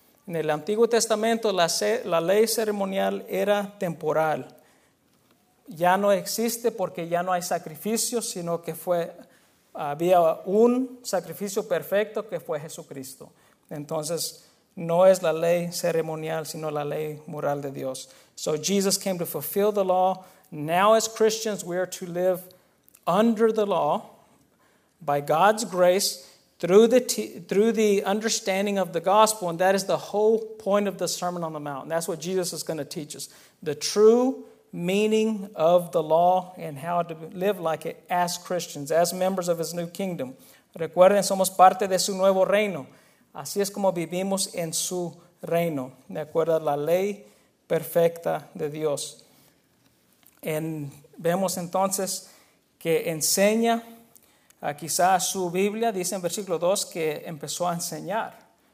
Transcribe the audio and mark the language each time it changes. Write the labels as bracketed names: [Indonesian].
[Spanish] En el Antiguo Testamento la ley ceremonial era temporal. Ya no existe porque ya no hay sacrificio, sino que había un sacrificio perfecto que fue Jesucristo. Entonces, no es la ley ceremonial, sino la ley moral de Dios. [English] So Jesus came to fulfill the law. Now as Christians, we are to live under the law by God's grace through the understanding of the gospel. And that is the whole point of the Sermon on the Mount. And that's what Jesus is going to teach us. The true meaning of the law and how to live like it as Christians, as members of his new kingdom. [Spanish] Recuerden, somos parte de su nuevo reino. Así es como vivimos en su reino, de acuerdo a la ley perfecta de Dios. Vemos entonces que enseña, quizás su Biblia, dice en versículo 2 que empezó a enseñar.